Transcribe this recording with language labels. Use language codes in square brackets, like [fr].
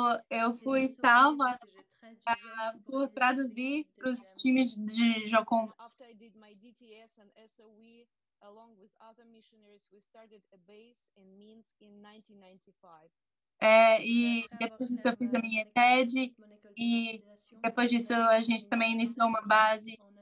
[pt] Eu fui salva por traduzir para os times de Jocum. [en] After I did my DTS and SOE, along with other missionaries, we started a base in Minsk in 1995. [pt] E depois disso eu fiz a minha TED e depois disso a gente também iniciou uma base